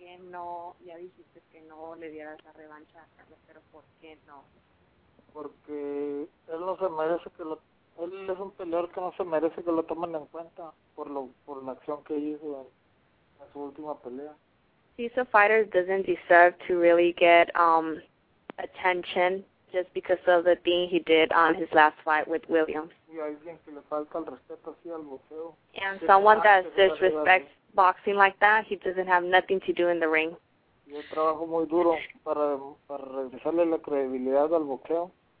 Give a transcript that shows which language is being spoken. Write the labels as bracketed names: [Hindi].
[Spanish] No, ya dijiste que no le dieras la revancha a Carlos, pero ¿por qué no? Porque él no se merece que lo... Él es un peleador que no se merece que lo tomen en cuenta por la acción que hizo en su última pelea. [English] He's a fighter that doesn't deserve to really get attention just because of the thing he did on his last fight with Williams. [Spanish] Y alguien que le falta el respeto así al boxeo. [English] And someone that disrespects boxing like that, he doesn't have nothing to do in the ring. [Spanish] Yo trabajo muy duro para regresarle la credibilidad al boxeo.